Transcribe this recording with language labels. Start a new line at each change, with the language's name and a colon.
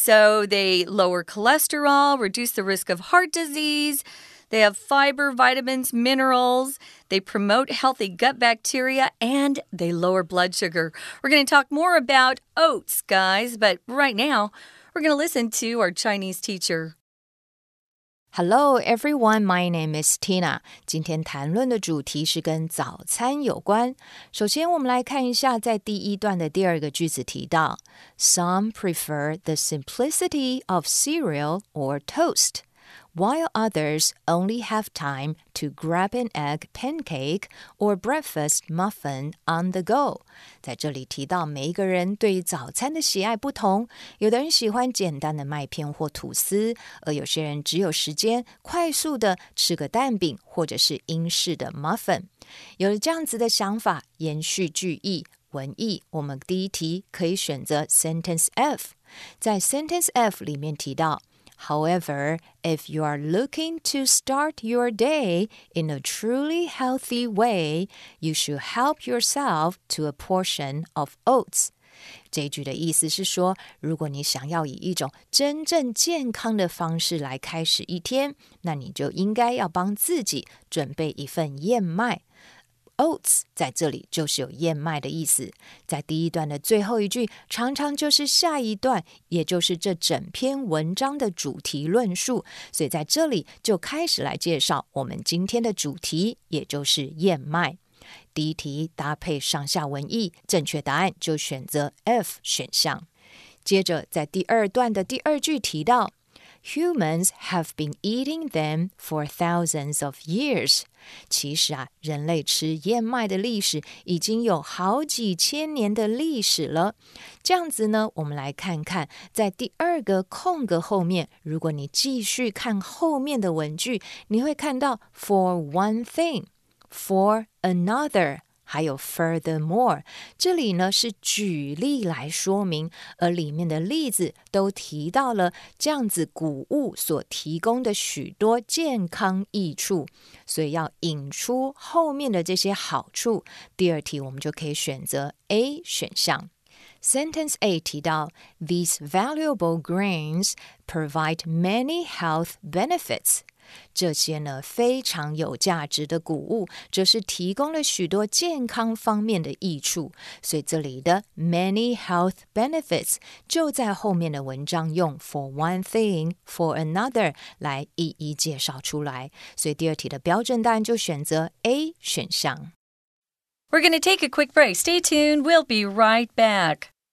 English: So they lower cholesterol, reduce the risk of heart disease. They have fiber, vitamins, minerals. They promote healthy gut bacteria, and they lower blood sugar. We're going to talk more about oats, guys, but right now, we're going to listen to our Chinese teacher. Hello, everyone. My name is Tina.
Chinese: 今天谈论的主题是跟早餐有关。首先，我们来看一下在第一段的第二个句子提到
English: Some prefer the simplicity of cereal or toast, while others only have time to grab an egg pancake or breakfast muffin on the go.
Chinese: 在这里提到每一个人对早餐的喜爱不同，有的人喜欢简单的麦片或吐司，而有些人只有时间快速的吃个蛋饼或者是英式的 muffin。有了这样子的想法，延续句意文意，我们第一题可以选择 sentence F。在
English: sentence F
Chinese: 里面提到
English: However, if you are looking to start your day in a truly healthy way, you should help yourself to a portion of oats.
Chinese: 这句的意思是说，如果你想要以一种真正健康的方式来开始一天，那你就应该要帮自己准备一份燕麦。 Oats 在这里就是有燕麦的意思，在第一段的最后一句常常就是下一段，也就是这整篇文章的主题论述，所以在这里就开始来介绍我们今天的主题，也就是燕麦。第一题搭配上下文意，正确答案就选择 F 选项。接着在第二段的第二句提到
English: Humans have been eating them for thousands of years.
Chinese: 其实啊，人类吃燕麦的历史已经有好几千年的历史了。这样子呢，我们来看看，在第二个空格后面，如果你继续看后面的文句，你会看到
English: for one thing, for another,
Chinese: 还有
English: furthermore,
Chinese: 这里呢是举例来说明，而里面的例子都提到了这样子谷物所提供的许多健康益处，所以要引出后面的这些好处，第二题我们就可以选择 A 选项。
English: Sentence A
Chinese: 提到
English: These valuable grains provide many health benefits.
Chinese: 这些呢非常有价值的谷物这是提供了许多健康方面的益处。所以这里的
English: many health benefits
Chinese: 就在后面的文章用
English: for one thing, for another
Chinese: 来一一介绍出来。所以第二题的标准答案就选择 A 选项。
English: We're going to take a quick break. Stay tuned. We'll be right back.